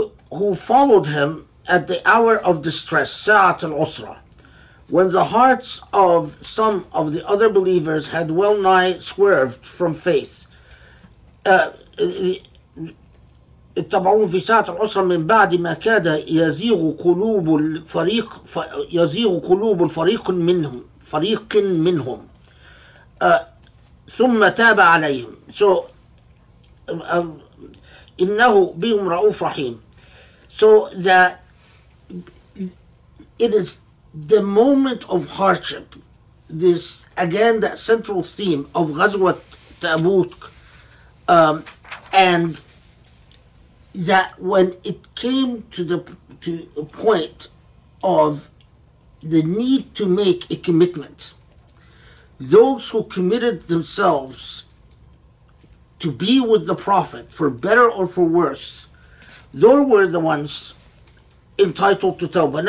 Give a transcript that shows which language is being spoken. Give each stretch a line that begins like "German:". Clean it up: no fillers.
English: Who followed him at the hour of distress, Sa'at al-Usra, when the hearts of some of the other believers had well nigh swerved from faith.
Arabic: اتبعوه في ساعة العسرة من بعد ما كاد يزيغ قلوب الفريق يزيغ قلوب الفريق منهم فريق منهم ثم تاب عليهم.
English: So
Arabic: إنه بهم رؤوف رحيم.
English: So it is the moment of hardship, this again the central theme of Ghazwat Tabuk, and that when it came to the point of the need to make a commitment, those who committed themselves to be with the Prophet for better or for worse, those were the ones entitled to Tawbah.